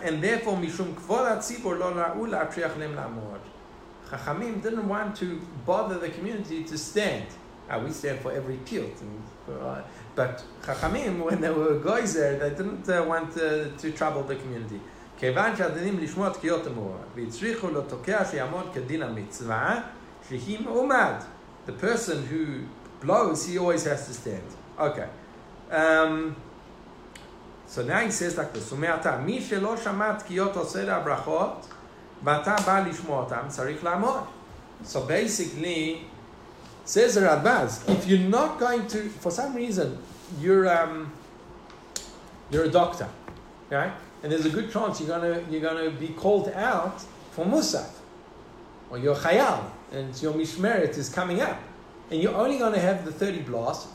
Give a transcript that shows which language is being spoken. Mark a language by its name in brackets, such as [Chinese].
[English] And therefore, [Hebrew] mishum kvod ha-tzibur lo ra'u la'atriach lem la'mor. [English] Chachamim didn't want to bother the community to stand. Now, we stand for every kilt. But Chachamim, when they were goyzer, they didn't want to trouble the community. [Hebrew] כיוון שהדינים לשמוע תקיעות המורה, והצריכו לתוקע שיעמוד כדין המצווה, שהיא מעומד. [English] The person who blows, he always has to stand. Okay. So now he says like this, [Hebrew] ומעתה, מי שלא שמע תקיעות עושה להברכות, ואתה בא לשמוע אותם, צריך לעמוד. [English] So basically, says the Radbaz, if you're not going to, for some reason, you're a doctor, right? And there's a good chance you're gonna be called out for Musaf, or your Chayal, and your Mishmeret is coming up, and you're only gonna have the 30 blasts.